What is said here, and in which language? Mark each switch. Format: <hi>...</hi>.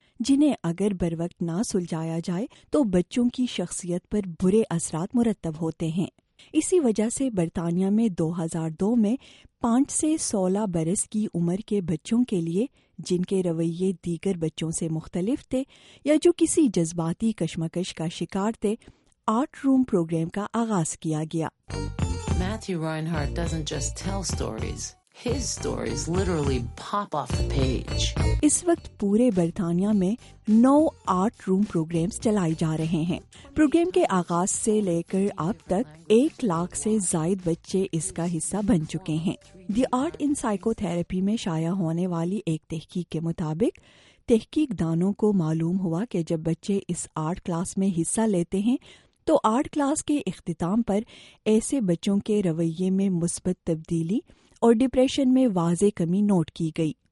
<ur>جنہیں اگر بر وقت نہ سلجھایا جائے تو بچوں کی شخصیت پر برے اثرات مرتب ہوتے ہیں۔ اسی وجہ سے برطانیہ میں 2002 میں 5 سے 16 برس کی عمر کے بچوں کے لیے، جن کے رویے دیگر بچوں سے مختلف تھے یا جو کسی جذباتی کشمکش کا شکار تھے، آرٹ روم پروگرام کا آغاز کیا گیا۔</ur> <en>Matthew Reinhardt doesn't just tell stories. His stories literally pop off the page.</en> <ur>اس وقت پورے برطانیہ میں 9 آرٹ روم پروگرامز چلائے جا رہے ہیں۔ پروگرام کے آغاز سے لے کر اب تک 1 لاکھ سے زائد بچے اس کا حصہ بن چکے ہیں۔ The art in psycho therapy میں شائع ہونے والی ایک تحقیق کے مطابق، تحقیق دانوں کو معلوم ہوا کہ جب بچے اس آرٹ کلاس میں حصہ لیتے ہیں تو آرٹ کلاس کے اختتام پر ایسے بچوں کے رویے میں مثبت تبدیلی اور ڈپریشن میں واضح کمی نوٹ کی گئی۔</ur>